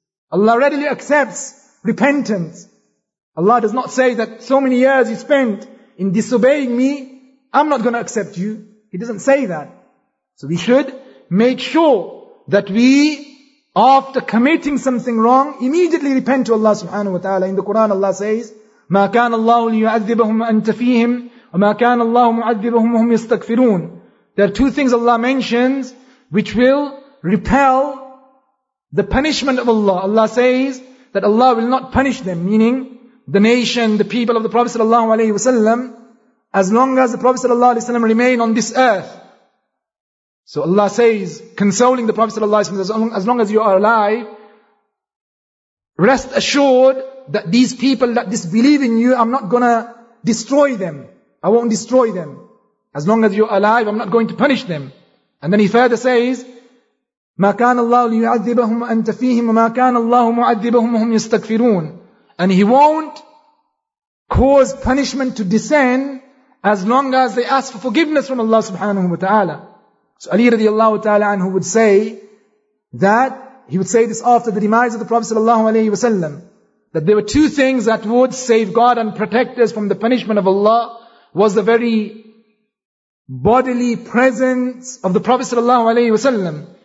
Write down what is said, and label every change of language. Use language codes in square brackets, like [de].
[en] Allah readily accepts repentance. Allah does not say that so many years you spent in disobeying me, I'm not going to accept you. He doesn't say that. So we should make sure that we, after committing something wrong, immediately repent to Allah subhanahu wa ta'ala. In the Quran, Allah says, [ar] مَا كَانَ اللَّهُ لِيُعَذِّبَهُمْ أَنْتَ فِيهِمْ وَمَا كَانَ اللَّهُ مُعَذِّبَهُمْ وَهُمْ يَسْتَغْفِرُونَ. [en] There are two things Allah mentions which will repel the punishment of Allah. Allah says that Allah will not punish them, meaning the nation, the people of the Prophet sallallahu alaihi wasallam, as long as the Prophet sallallahu alaihi wasallam remain on this earth. So Allah says, consoling the Prophet sallallahu alaihi wasallam, as long as you are alive, rest assured that these people that disbelieve in you, I'm not gonna destroy them. I won't destroy them. As long as you're alive, I'm not going to punish them. And then he further says, [ar] مَا كَانَ اللَّهُ لِيُعَذِّبَهُمْ أَنْتَ فِيهِمْ وَمَا كَانَ اللَّهُ مُعَذِّبَهُمْ وَهُمْ يَسْتَغْفِرُونَ. [en] And he won't cause punishment to descend as long as they ask for forgiveness from Allah subhanahu wa ta'ala. So Ali radiallahu ta'ala anhu would say that, he would say this after the demise of the Prophet sallallahu alayhi wa sallam, that there were two things that would safeguard and protect us from the punishment of Allah, was the very bodily presence of the Prophet sallallahu alaihi wasallam.